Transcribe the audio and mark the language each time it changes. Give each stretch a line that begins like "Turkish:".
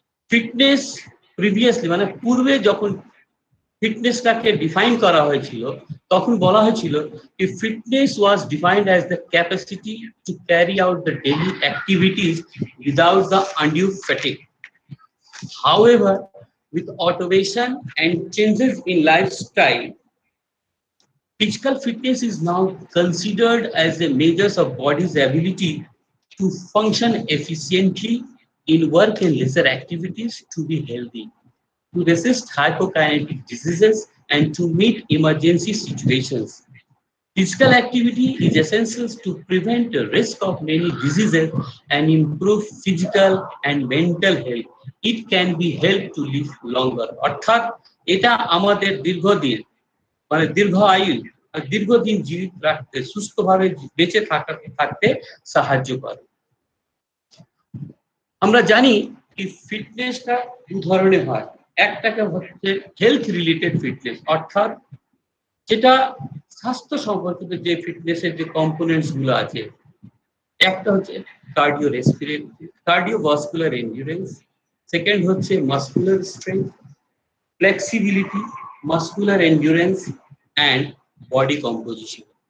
Bangla: Fitness previously মানে পূর্বে যখন ফিটনেসটাকে ডিফাইন করা হয়েছিল তখন বলা হয়েছিল কি,
English: Fitness was defined as the capacity to carry out the daily activities without the undue fatigue. However with automation and changes in lifestyle, physical fitness is now considered as a measure of body's ability to function efficiently in work and leisure activities, to be healthy, to resist hypokinetic diseases and to meet emergency situations. Physical activity is essential to prevent the risk of many diseases and improve physical and mental health. It can be helped to live longer.
Bangla: অর্থাৎ এটা আমাদের দীর্ঘদিন মানে দীর্ঘ আয়ু দীর্ঘদিন জীবিত রাখতে, সুস্থভাবে বেঁচে থাকতে সাহায্য করে। আমরা জানি যে ফিটনেসটা দু ধরনের হয়। একটাকে হচ্ছে হেলথ রিলেটেড ফিটনেস, অর্থাৎ যেটা স্বাস্থ্য সম্পর্কিত যে ফিটনেসের যে কম্পোনেন্টসগুলো আছে, একটা হচ্ছে cardio respiratory cardio vascular endurance, second হচ্ছে muscular strength, flexibility, muscular endurance and body composition.